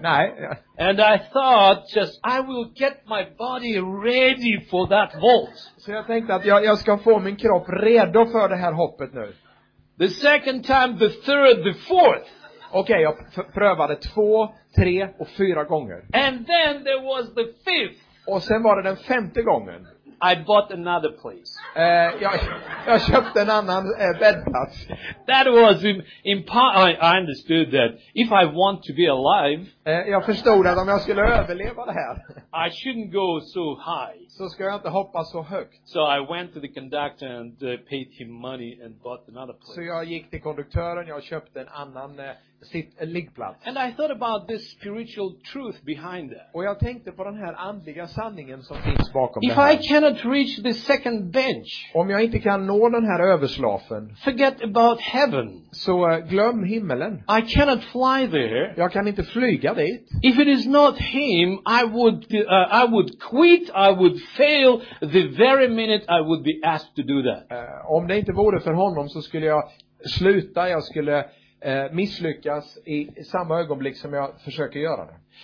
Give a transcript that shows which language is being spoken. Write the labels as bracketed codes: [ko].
[sv] Nej. [en] And I thought just I will get my body ready for that vault. [sv] Så jag tänkte att jag ska få min kropp redo för det här hoppet nu. [en] The second time, the third, the fourth. [sv] Okej, jag prövade 2, 3 och 4 gånger. [en] And then there was the fifth. [sv] Och sen var det den femte gången. [en] I bought another place. [sv] Jag köpte en annan bäddplats. [en] That was I understood that if I want to be alive. [sv] Jag förstod att om jag skulle överleva det här. [en] I shouldn't go so high. [sv] Så ska jag inte hoppa så högt. [en] So I went to the conductor and paid him money and bought another place. [sv] Så jag gick till konduktören och jag köpte en annan liggplats. [en] And I thought about this spiritual truth behind that. [sv] Och jag tänkte på den här andliga sanningen som finns bakom [en] if [sv] det här. [en] If I cannot reach the second bench. [sv] Om jag inte kan nå den här överslafen. [en] Forget about heaven. [sv] Så glöm himmelen. [en] I cannot fly there. [sv] Jag kan inte flyga dit. [en] If it is not him, I would quit, I would fail the very minute I would be asked to do that. [sv] Om det inte vore för honom så skulle jag sluta, jag skulle misslyckas i samma ögonblick som jag försöker göra det.